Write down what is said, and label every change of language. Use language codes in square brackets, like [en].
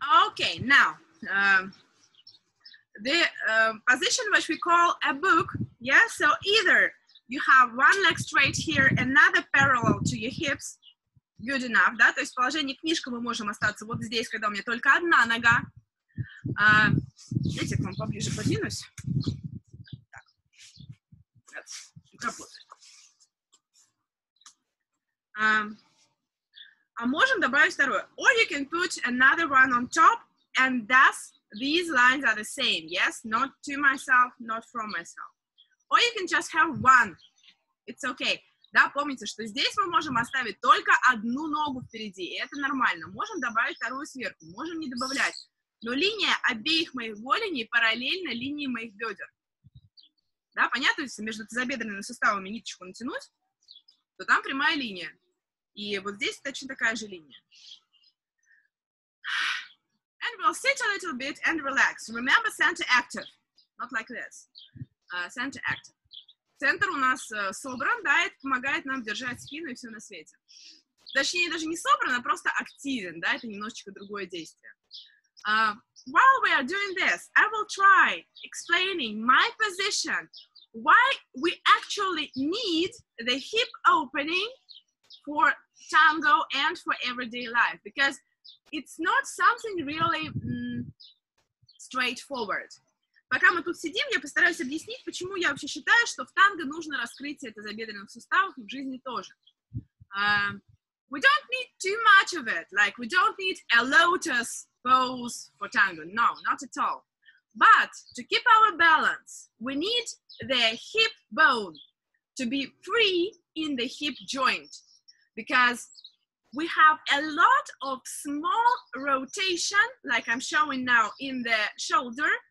[en] Okay, now, the position which we call a book, yeah? So either you have one leg straight here, another parallel to your hips, good enough, да? [ru] То есть в положении книжка мы можем остаться вот здесь, когда у меня только одна нога. Видите, к вам поближе подвинусь. Так. А можем добавить второе. [en] Or you can put another one on top, and thus these lines are the same, yes? Not to myself, not from myself. Or you can just have one. It's okay. [ru] Да, помните, что здесь мы можем оставить только одну ногу впереди, и это нормально. Можем добавить вторую сверху, можем не добавлять. Но линия обеих моих голеней параллельна линии моих бедер. Да, понятно, если между тазобедренными суставами ниточку натянуть, то там прямая линия. И вот здесь точно такая же линия. [en] And we'll sit a little bit and relax. Remember, center active. Not like this. Center active. [ru] Центр у нас собран, да, это помогает нам держать спину и все на свете. Точнее, даже не собран, а просто активен, да, это немножечко другое действие. [en] While we are doing this, I will try explaining my position. Why we actually need the hip opening for tango and for everyday life, because it's not something really straightforward. [ru] Пока мы тут сидим, я постараюсь объяснить, почему я вообще считаю, что в танго нужно раскрытие тазобедренных суставов и в жизни тоже. [en] We don't need too much of it, like we don't need a lotus pose for tango, no, not at all. But to keep our balance, we need the hip bone to be free in the hip joint. Because we have a lot of small rotation, like I'm showing now in the shoulder.